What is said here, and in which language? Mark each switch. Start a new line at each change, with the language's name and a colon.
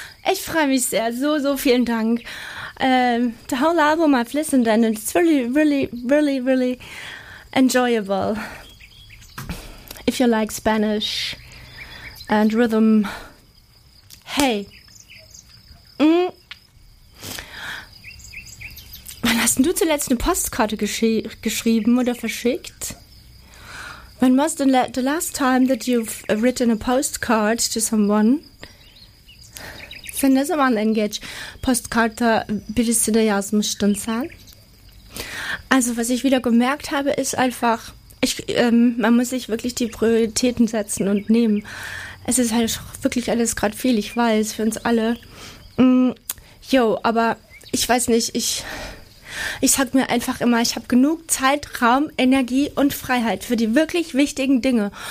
German: Ich freue mich sehr, so, so vielen Dank.
English: The whole album I've listened to, and it's really, really, really, really enjoyable. If you like Spanish and rhythm. Hey!
German: Wann hast denn du zuletzt eine Postkarte geschrieben oder verschickt?
English: When was the last time that you've written a postcard to someone? Finde man engage Postkarte bis in der Jahresmischstundzahl.
German: Also was ich wieder gemerkt habe, ist einfach, man muss sich wirklich die Prioritäten setzen und nehmen. Es ist halt wirklich alles gerade viel, ich weiß, für uns alle. Jo, aber ich weiß nicht, ich sag mir einfach immer, ich habe genug Zeit, Raum, Energie und Freiheit für die wirklich wichtigen Dinge.